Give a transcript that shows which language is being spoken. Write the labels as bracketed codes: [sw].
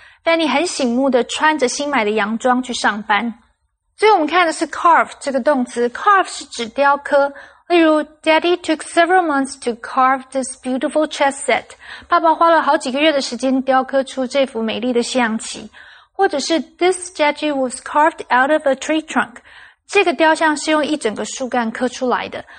[zh] Fanny 很醒目的穿着新买的洋装去上班。所以我们看的是 carve 这个动词。carve 是指雕刻。例如 [en] ,Daddy took several months to carve this beautiful chess set. [zh] 爸爸花了好几个月的时间雕刻出这幅美丽的西洋棋。或者是 [en] ,This statue was carved out of a tree trunk. [zh] 这个雕像是用一整个树干刻出来的。